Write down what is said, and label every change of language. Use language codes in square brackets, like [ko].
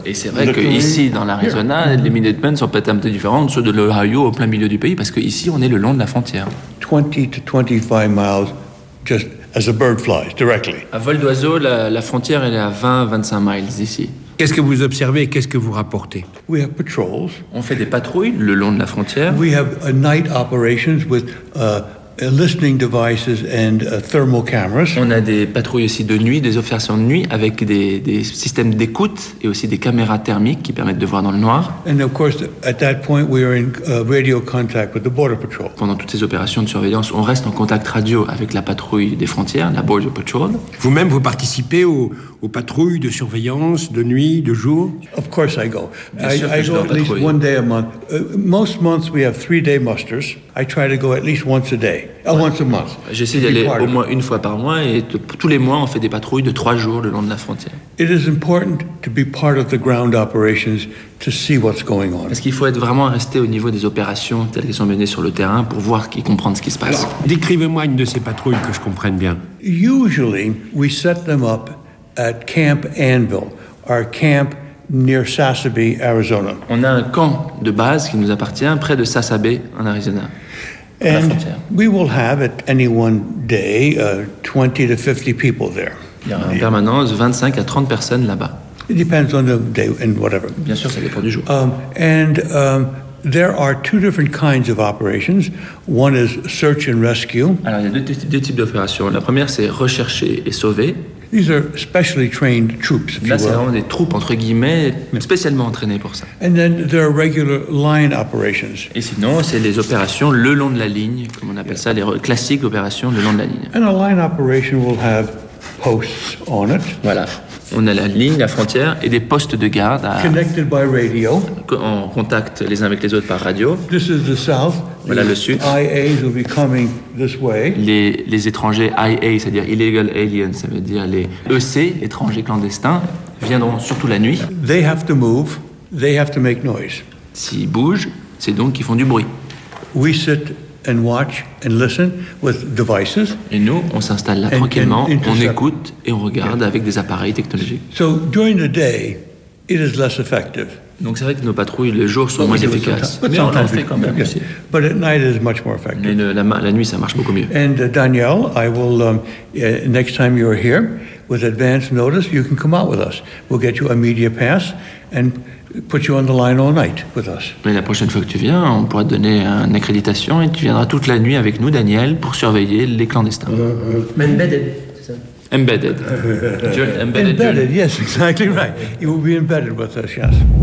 [fr] Et c'est vrai que ici, dans l'Arizona, les Minutemen sont peut-être un peu différents de ceux de l'Ohio au plein milieu du pays parce que ici, on est le long de la frontière. [en] 20 to 25 miles just as a bird flies directly. [fr] À vol d'oiseau, la frontière elle est à 20-25 miles ici. Qu'est-ce que vous observez et qu'est-ce que vous rapportez ? [en] We have patrols. [fr] On fait des patrouilles le long de la frontière. [en] We have night operations with listening devices and thermal cameras. [fr] On a des patrouilles aussi de nuit, des observations de nuit avec des systèmes d'écoute et aussi des caméras thermiques qui permettent de voir dans le noir. [en] And of course, at that point, we are in radio contact with the border patrol. [fr] Pendant toutes ces opérations de surveillance, on reste en contact radio avec la patrouille des frontières, la border patrol. Vous-même, vous participez aux patrouilles de surveillance de nuit, de jour? [en] Of course, I go. I go at least one day a month. Most months, we have 3-day musters. I try to go at least once a day. Once a month. [fr] J'essaie d'aller au moins une fois par mois et tous les mois on fait des patrouilles de 3 jours le long de la frontière. [en] It is important to be part of the ground operations to see what's going on. [fr] Parce qu'il faut être vraiment resté au niveau des opérations telles qu'elles sont menées sur le terrain pour voir et comprendre ce qui se passe. Alors, décrivez-moi une de ces patrouilles que je comprenne bien. [en] Usually we set them up at Camp Anvil, our camp near Sasebe, Arizona. [fr] On a un camp de base qui nous appartient près de Sasebe en Arizona. [en] And we will have at any one day 20 to 50 people there. [fr] Il y aura en permanence 25 à 30 personnes là-bas. [en] It depends on the day and whatever. [fr] Bien sûr, ça dépend du jour. [en] There are two different kinds of operations. One is search and rescue. [fr] Alors, il y a deux types d'opérations. La première, c'est rechercher et sauver. [en] These are specially trained troops. [fr] Là, c'est vraiment des troupes entre guillemets spécialement entraînées pour ça. [en] And then there are regular line operations. [fr] Et sinon, c'est les opérations le long de la ligne, comme on appelle ça, les classiques opérations le long de la ligne. [en] And a line operation will have posts on it. [fr] Voilà. On a la ligne, la frontière et des postes de garde [en] connected by radio. [fr] En contact les uns avec les autres par radio. [en] This is the south. [fr] Voilà le sud. [en] IAs will be coming this way. [fr] Les étrangers IA, c'est-à-dire illegal aliens, ça veut dire les EC, étrangers clandestins, viendront surtout la nuit. [en] They have to move. They have to make noise. [fr] S'ils bougent, c'est donc qu'ils font du bruit. [en] We sit and watch and listen with devices. [fr] Et nous, on s'installe là tranquillement, on écoute et on regarde avec des appareils technologiques. [en] So during the day, it is less effective. [fr] Donc c'est vrai que nos patrouilles le jour sont moins efficaces. Mais on en fait quand même aussi. [en] But at night it is much more effective. [fr] Mais la nuit, ça marche beaucoup mieux. [en] And Danielle, I will next time you are here with advance notice, you can come out with us. We'll get you a media pass and put you on the line all night with us. [fr] Mais la prochaine fois que tu viens, on pourra te donner une accréditation et tu viendras toute la nuit avec nous, Daniel, pour surveiller les clandestins. Embedded, c'est ça? [en] Embedded. embedded, yes, exactly right. You will be embedded with us, yes.